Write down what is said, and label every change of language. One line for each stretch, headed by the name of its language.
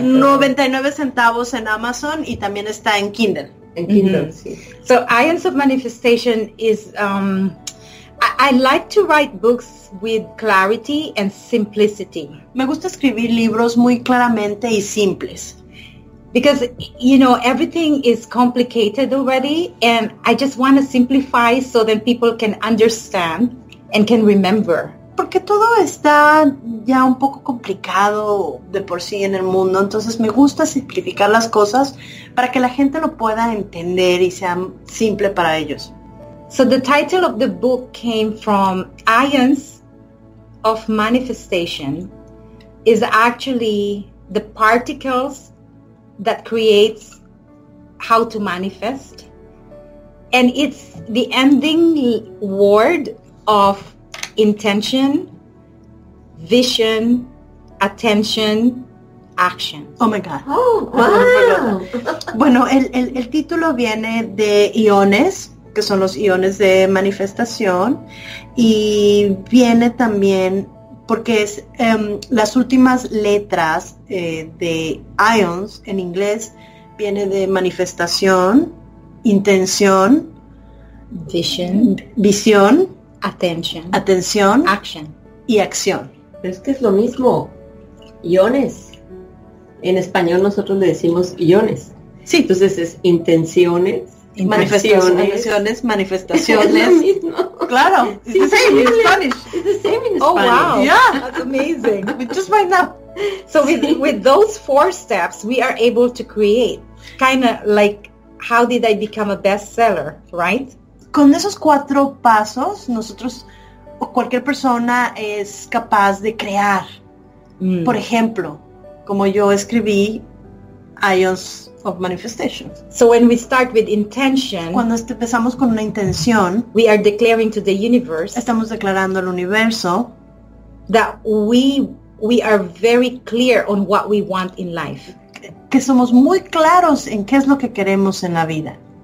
Spanish: 99 centavos en Amazon y también está en Kindle.
English: In Kindle, mm-hmm. So Ions of Manifestation is, I like to write books with clarity and simplicity.
Spanish: Me gusta escribir libros muy claramente y simples.
English: Because, you know, everything is complicated already, and I just want to simplify so that people can understand and can remember.
Spanish: Porque todo está ya un poco complicado de por sí en el mundo, entonces me gusta simplificar las cosas para que la gente lo pueda entender y sea simple para ellos.
English: So the title of the book came from Ions of Manifestation is actually the particles that creates how to manifest, and it's the ending word of intention, vision, attention, action. Oh my God. Oh, wow.
Spanish: Bueno, el título viene de iones, que son los iones de manifestación, y viene también porque es las últimas letras de ions en inglés, viene de manifestación, intención,
English: Vision.
Spanish: Visión.
English: Attention.
Spanish: Atención.
English: Action.
Spanish: Y acción. Es que es lo mismo. Iones. En español nosotros le decimos iones. Sí. Entonces es intenciones. Manifestaciones, manifestaciones. Es lo mismo. Claro,
English: it's the same in Spanish. It's the same in Spanish. Oh, wow. Yeah, that's amazing. Just right now. So with those four steps, we are able to create. Kind of like, how did I become a bestseller, right?
Spanish: Con esos cuatro pasos, nosotros, o cualquier persona es capaz de crear. Mm. Por ejemplo, como yo escribí, Ions of manifestation.
English: So when we start with intention,
Spanish: cuando empezamos con una intención,
English: we are declaring to the universe,
Spanish: estamos declarando al universo,
English: that we are very clear on what we want in life.
Spanish: Que somos muy claros en qué es lo que queremos en la vida.